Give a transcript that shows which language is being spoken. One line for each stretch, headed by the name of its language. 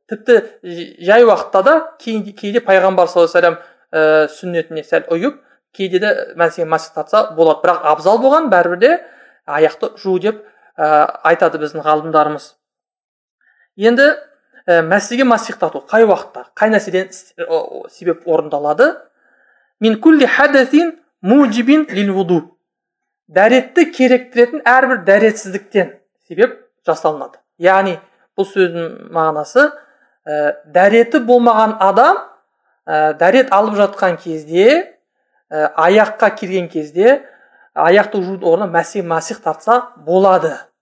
Kazakh: Тіпті жай уақытта да кейде пайғамбар саллаллаху алейхи ва саллям сүннетіне сәл ұйып, кейде де мәсіхке масих тартса болады. Бірақ абзал болған бәрібір де аяқты жуу деп айтады біздің ғалымдарымыз. Енді мәсіхке масих тарту қай уақытта, қай нәрседен себеп орындалады?
Arabic: Мин кулли хадасин муджибин лил вуду.
Kazakh: Дәретті керектіретін әрбір дәретсіздіктен себеп жасалынады. Яғни бұл сөздің мағынасы, дәреті болмаған адам дәрет алып жатқан кезде, аяққа келген кезде, аяқты жуу орнына мәсіх тартса болады.